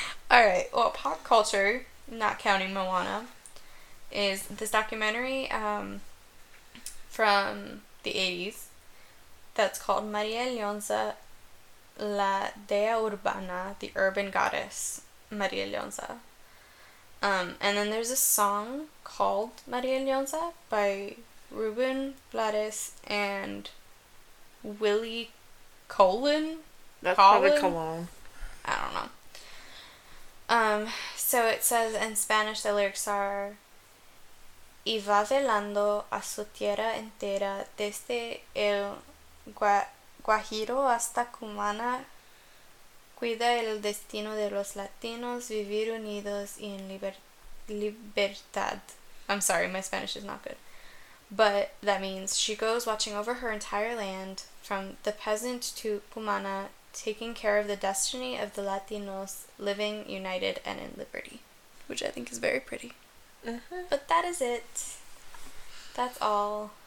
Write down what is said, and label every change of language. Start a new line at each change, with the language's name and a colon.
English: Alright, well, pop culture, not counting Moana, is this documentary from the 80s that's called Maria Leonza, La Dea Urbana, The Urban Goddess, Maria Leonza. And then there's a song called Maria Leonza by Ruben Blades and Willie Colon? Probably Colon. I don't know. So it says in Spanish, the lyrics are,
Spanish: y va velando a su tierra entera desde el Guajiro hasta Cumana, cuida el destino de los latinos, vivir unidos y en libertad.
English: I'm sorry, my Spanish is not good. But that means she goes watching over her entire land, from the peasant to Cumana, taking care of the destiny of the Latinos, living, united, and in liberty. Which I think is very pretty. Mm-hmm. But that is it. That's all.